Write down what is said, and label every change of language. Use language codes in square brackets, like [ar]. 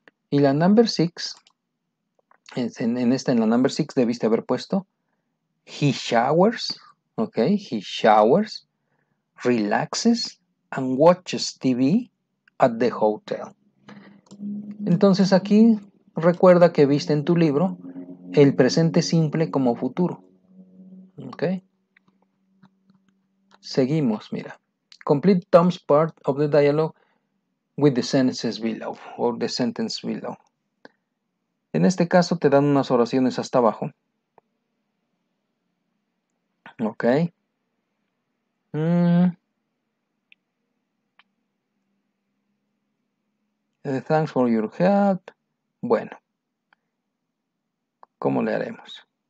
[es] Y la [en] number 6, [es] en esta, en la [en] number 6, [es] debiste haber puesto [en] he showers, ok, he showers, relaxes and watches TV at the hotel. [es] Entonces aquí recuerda que viste en tu libro el presente simple como futuro, ok. Seguimos, mira. [en] Complete Tom's part of the dialogue with the sentences below, or the sentence below. [es] En este caso te dan unas oraciones hasta abajo. Ok. [en] Thanks for your help. [es] Bueno, ¿cómo le haremos?